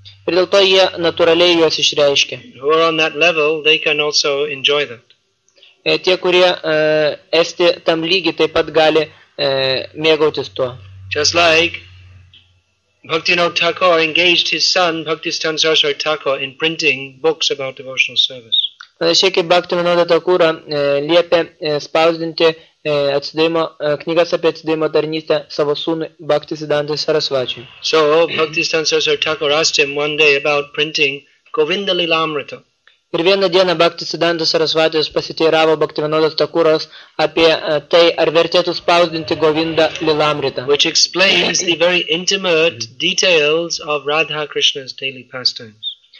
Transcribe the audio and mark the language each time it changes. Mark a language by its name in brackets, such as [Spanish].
[Lithuanian] Ir dėl to jie natūraliai juos išreiškia. [English] Who are on that level, they can also enjoy them. [Lithuanian] Tie, kurie esti tam lygi, taip pat gali mėgautis tuo. [English] Just like Bhaktivinoda Thakur engaged his son, Bhaktisthana Saraswati Thakur, in printing books about devotional service. [Lithuanian] Panašiai kaip Bhaktivinoda Thakura liepė spausdinti atsidėjimo knygas apie atsidėjimo tarnystę savo sūnui Bhaktisiddhanta Sarasvačiui. [English] So Bhaktisthana Saraswati Thakur asked him one day about printing Govinda Lilamrita. [Lithuanian] Ir vieną dieną Bhaktisiddhanta Sarasvatis pasiteiravo Bhaktivinodas Thakuras apie tai, ar vertėtų spausdinti Govinda Lilamrita. [English] Which explains the very intimate details of Radha Krishna's daily pastimes.